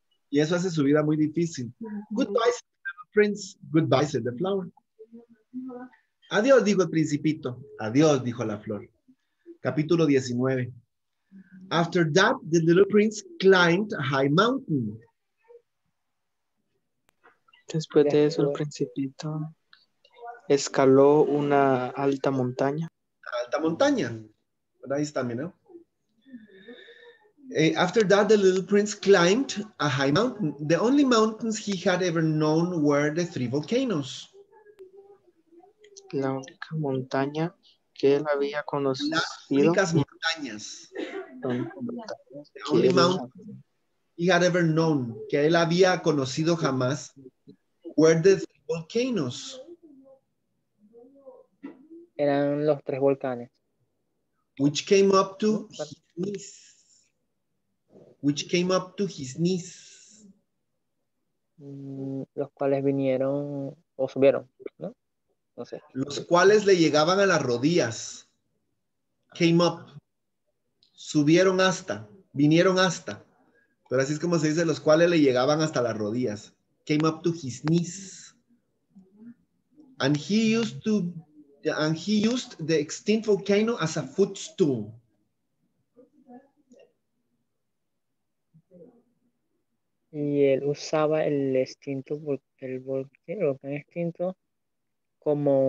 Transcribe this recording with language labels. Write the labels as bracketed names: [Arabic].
[Spanish] Y eso hace su vida muy difícil. [English] Goodbye, said the prince. Goodbye, said the flower. [Spanish] Adiós, dijo el principito. Adiós, dijo la flor. Capítulo 19. [English] After that, the little prince climbed a high mountain. [Spanish] Después de eso, el principito escaló una alta montaña. Alta montaña. Ahí está, ¿no? [English] After that, the little prince climbed a high mountain. The only mountains he had ever known were the three volcanoes. [Spanish] La única montaña que él había conocido. Las únicas montañas. [English] The only mountain he had ever known, [Spanish] que él había conocido jamás, [English] were the volcanoes. [Spanish] Eran los tres volcanes. [English] Which came up to his knees. Which came up to his knees. [Spanish] Los cuales vinieron o subieron, ¿no? No sé. Los cuales le llegaban a las rodillas. [English] Came up. [Spanish] Subieron hasta. Vinieron hasta. Pero así es como se dice, los cuales le llegaban hasta las rodillas. [English] Came up to his knees. And he used to... And he used the extinct volcano as a footstool. [Spanish] Y él usaba el extinto, el volcán extinto, como